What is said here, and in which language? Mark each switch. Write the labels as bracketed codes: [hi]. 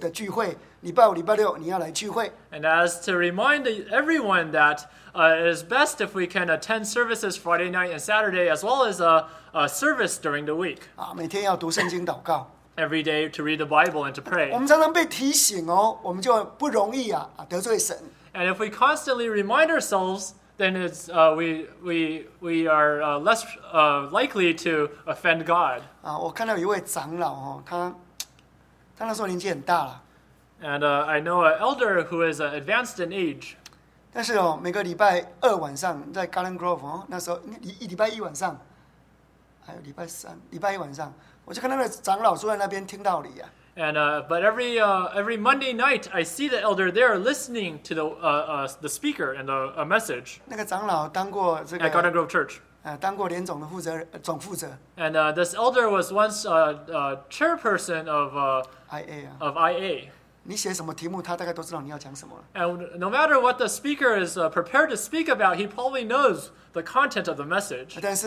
[zh] 我常常跟年轻人讲，你就是周间你最好有一次的聚会，礼拜五、礼拜六你要来聚会。 [en] And as to remind everyone that it is best if we can attend services Friday night and Saturday, as well as a service during the week. [zh] 每天要读圣经祷告。 [en] Every day to read the Bible and to pray. [zh] 我们常常被提醒哦，我们就不容易啊得罪神。 [en] And if we constantly remind ourselves, then it's we are less likely to offend God. [zh] 我看到一位长老哦，他那时候年纪很大了。And [en] I know an elder who is advanced in age. [zh] 但是哦，每个礼拜二晚上在 Garden Grove 哦，那时候一礼拜一晚上，还有礼拜三，礼拜一晚上。我就看那个长老坐在那边听道理啊。And [en] but every Monday night, I see the elder there listening to the speaker and the message. [zh] 那个长老当过这个 [en] at Garden Grove Church. [zh] 当过联总的负责总负责。And [en] this elder was once a chairperson of IA. [zh] 你写什么题目，他大概都知道你要讲什么。 [en] And no matter what the speaker is prepared to speak about, he probably knows the content of the message.